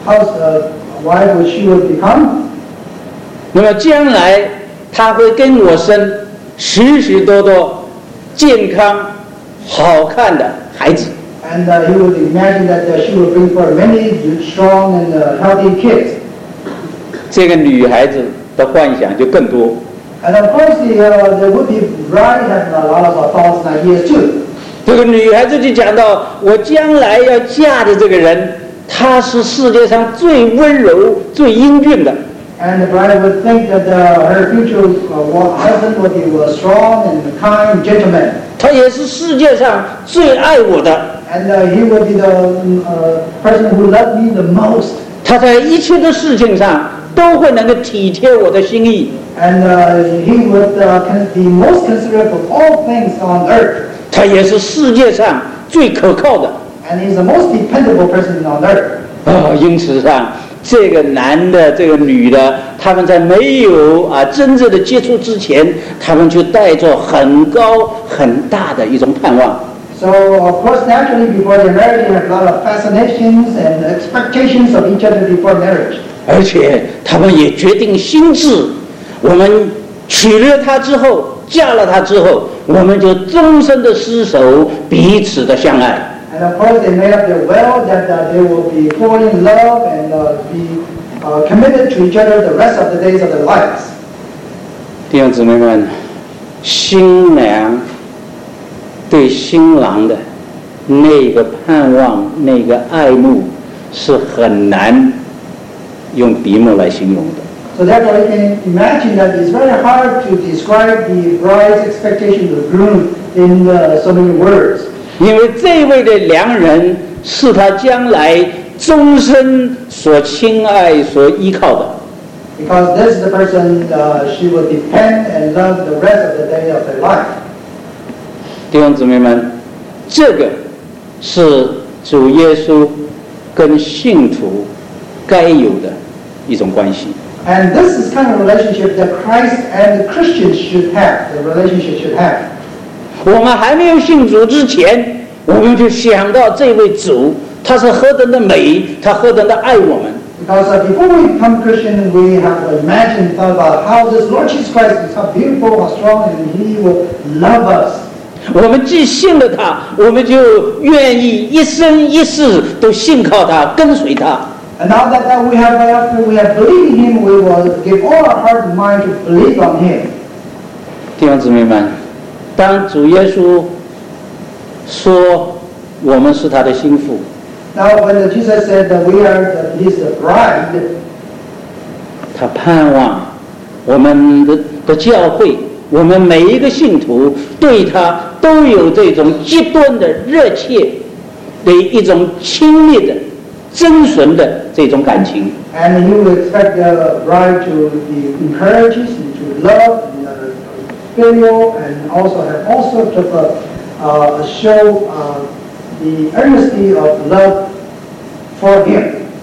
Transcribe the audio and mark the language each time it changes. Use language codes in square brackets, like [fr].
[en] House wife would she would become. [zh] 那么将来。他会跟我生许许多多健康好看的孩子。 [en] And he would imagine that she would bring forth many strong and healthy kids. [zh] 这个女孩子的幻想就更多。 [en] And of course, the would-be bride has a lot of thoughts and ideas too. [zh] 这个女孩子就讲到，我将来要嫁的这个人，他是世界上最温柔、最英俊的。 [en] And the bride would think that her future husband would be a strong and kind gentleman. [zh] 他也是世界上最爱我的。 [en] And he would be the person who loved me the most. [zh] 他在一切的事情上都会能够体贴我的心意。 [en] And he would be most considerate of all things on earth. [zh] 他也是世界上最可靠的。 [en] And he's the most dependable person on earth. [zh] 因此上。这个男的这个女的他们在没有啊真正的接触之前他们就带着很高很大的一种盼望。 [en] So of course naturally before the marriage they have a lot of fascinations and expectations of each other before marriage. [zh] 而且他们也决定心智我们娶了她之后嫁了她之后我们就终身的厮守彼此的相爱。 [en] And of course, they made up their will that they will be fall in love and be committed to each other the rest of the days of their lives. [zh] 弟兄姊妹们，新娘对新郎的那个盼望、那个爱慕是很难用笔墨来形容的。 [en] So therefore, you can imagine that it's very hard to describe the bride's expectation of the groom in so many words. [zh] 因为这位的良人是他将来终身所亲爱所依靠的。 [en] Because this is the person she will depend and love the rest of the day of her life. [zh] 弟兄姊妹们，这个是主耶稣跟信徒该有的一种关系。 [en] And this is kind of relationship that Christ and the Christians should have, the relationship should have. [zh] 我们还没有信主之前我们就想到这位主他是何等的美他何等的爱我们 [en] because before we become Christian we have imagined thought about how this Lord Jesus Christ is how beautiful how strong and he will love us [zh] 我们既信了他我们就愿意一生一世都信靠他跟随他 [en] and now that we have after we have believed in him we will give all our heart and mind to believe on him [zh] 弟兄姊妹们，当主耶稣说我们是他的心腹。 [en] Now when Jesus said that we are his bride, [zh] 他盼望我们 的教会，我们每一个信徒对他都有这种极端的热切的一种亲密的真纯的这种感情。 [en] And he would expect the bride to be encouraged and to love and filial and also have all sorts of show the earnestness of love for him.